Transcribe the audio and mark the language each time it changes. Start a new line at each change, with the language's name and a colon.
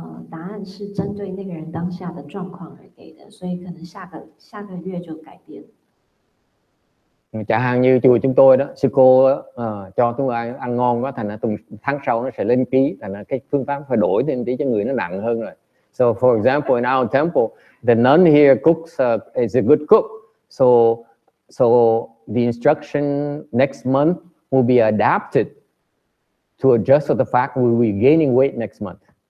Chinese: 答案是针对那个人当下的状况而给的，所以可能下个月就改变。
Vietnamese: Chẳng hạn như chùa chúng tôi đó, sư cô cho chúng tôi ăn ngon quá, thành từ tháng sau nó sẽ lên ký, thành cái phương pháp phải đổi thêm tí cho người nó nặng hơn rồi.
English: So for example, in our temple, the nun here cooks is a good cook. So the instruction next month will be adapted to adjust to the fact we'll be gaining weight next month.